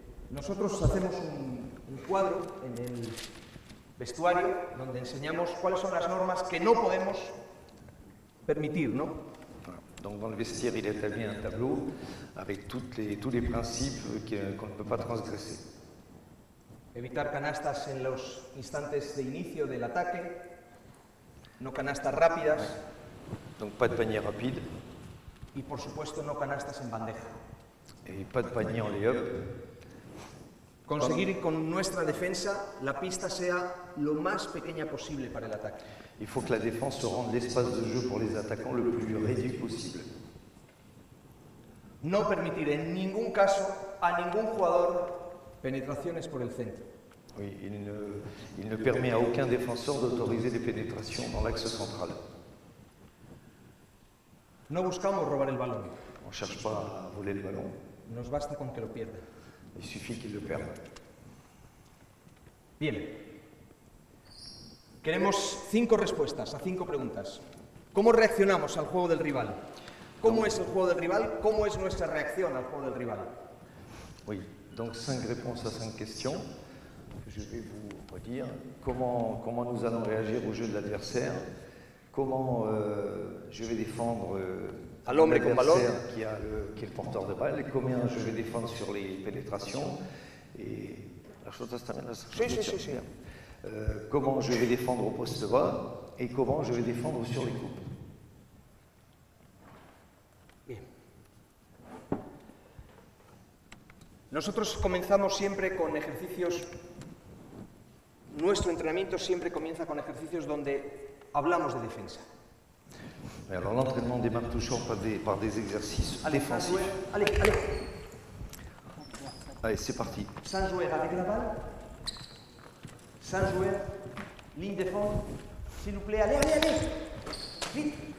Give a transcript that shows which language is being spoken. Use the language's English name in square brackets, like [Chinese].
[Spanish] Nosotros hacemos un cuadro en el vestuario donde enseñamos cuáles son las normas que no podemos permitir, ¿no? [French] Donc dans le vestiaire, il établit un tableau avec tous les principes qu'on ne peut pas transgresser. [Spanish] Evitar canastas en los instantes de inicio del ataque. No canastas rápidas. [French] Donc pas de panier rapide. [Spanish] Y por supuesto no canastas en bandeja. [French] Et pas de panier en lay-up. [Spanish] Conseguir con nuestra defensa la pista sea lo más pequeña posible para el ataque. [French] Il faut que la défense se rende l'espace de jeu pour les attaquants le plus réduit possible. [Spanish] No permitir en ningún caso a ningún jugador penetraciones por el centro. [French] Oui, il ne permet à aucun défenseur d'autoriser des pénétrations dans l'axe central. [Spanish] No buscamos robar el balón. [French] On ne cherche pas à voler le ballon. [Spanish] Nos basta con que lo pierda. [French] Il suffit qu'il le perde. Bien. [Spanish] Queremos cinco respuestas a cinco preguntas. ¿Cómo reaccionamos al juego del rival? ¿Cómo es el juego del rival? ¿Cómo es nuestra reacción al juego del rival? [French] Oui, donc cinq réponses à cinq questions. Je vais vous redire comment nous allons réagir au jeu de l'adversaire. Comment je vais défendre à l'homme avec ballon qui est le porteur de balle, comment je vais défendre sur les pénétrations et la chose est terminée. Oui. Comment je vais défendre au poste bas et comment je vais défendre sur les coupes. Bien. [Spanish] Nosotros comenzamos siempre con ejercicios. Nuestro entrenamiento siempre comienza con ejercicios donde hablamos de defensa. [French] Mais alors l'entraînement démarre toujours par des exercices défensifs. Allez. Allez, c'est parti. Sans jouer avec la balle. Sans jouer, ligne de fond, s'il vous plaît, allez, vite.